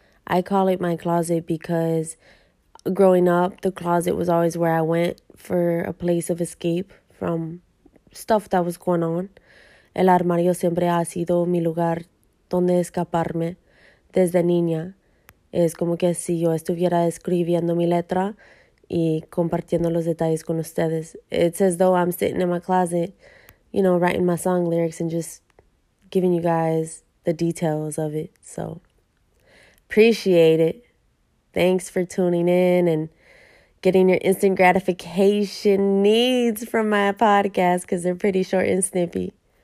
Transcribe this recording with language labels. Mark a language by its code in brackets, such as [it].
[en] I call it my closet because growing up, the closet was always where I went for a place of escape from stuff that was going on. [es] El armario siempre ha sido mi lugar donde escaparme desde niña. Es como que si yo estuviera escribiendo mi letra y compartiendo los detalles con ustedes. [en] It's as though I'm sitting in my closet, you know, writing my song lyrics and just giving you guys the details of it. So, appreciate it. Thanks for tuning in and getting your instant gratification needs from my podcast because they're pretty short and snippy.